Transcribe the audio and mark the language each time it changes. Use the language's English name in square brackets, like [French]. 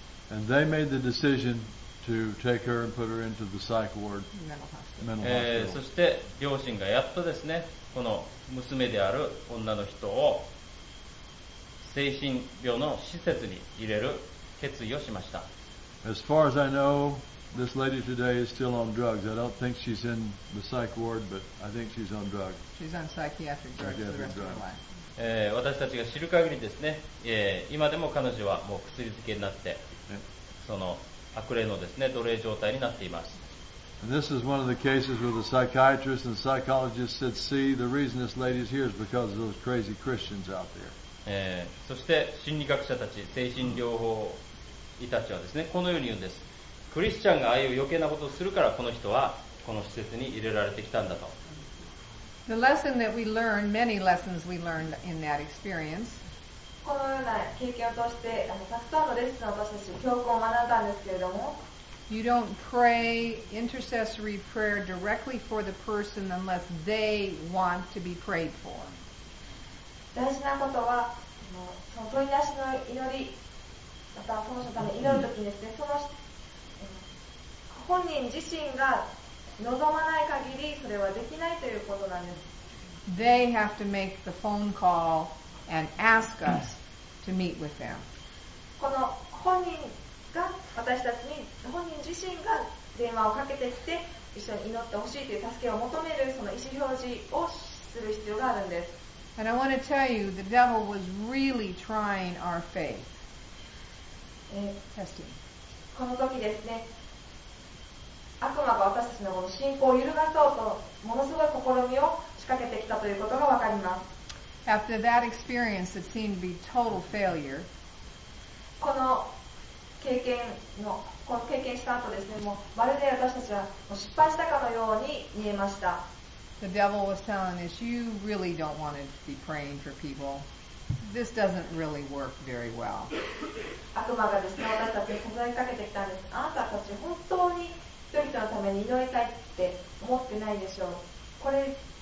[English] And they made the decision to take her and put her into the psych ward. [Japanese] そして両親がやっとですね、この娘である女の人を精神病の施設に入れる決意をしました。 [English] As far as I know,This lady today is still on drugs. I don't think she's in the psych ward, but I think she's on drugs. She's on psychiatric drugs for the rest of her life. [Japanese] 私たちが知る限りですね、今でも彼女はもう薬漬けになって、その悪霊のですね、奴隷状態になっています。 [English] And this is one of the cases where the psychiatrist and psychologist said, see, the reason this lady is here is because of those crazy Christians out there. [Japanese] そして心理学者たち、精神療法医たちはですね、このように言うんです。クリスチャンがああいう余計なことをするからこの人はこの施設に入れられてきたんだと。 [English] The lesson that we learned, many lessons we learned in that experience. [Japanese] このような経験を通して、たくさんのレッスンを通して教訓を学んだんですけれども。 [English] You don't pray intercessory prayer directly for the person unless they want to be prayed for. [Japanese] 大事なことは、その問いなしの祈り、またその人のために祈るときにですね、その人本人自身が望まない限りそれはできないということなんです。 [English] They have to make the phone call and ask us to meet with them. [Japanese] この本人が私たちに本人自身が電話をかけてきて一緒に祈ってほしいという助けを求めるその意思表示をする必要があるんです。 [English] And I want to tell you, the devil was really trying our faith. Testing. [Japanese] この時ですね。悪魔が私たちの信仰を揺るがそうとものすごい試みを仕掛けてきたということがわかります。 [English] After that experience, it seemed to be total failure. [Japanese] この経験した後ですね、もうまるで私たちは失敗したかのように見えました。 [English] The devil was telling us, you really don't want to be praying for people. This doesn't really work very well. [Japanese] 悪魔がですね、私たちに問いかけてきたんです。あなたたち本当に人々のために祈りたいって思ってないでしょう。これ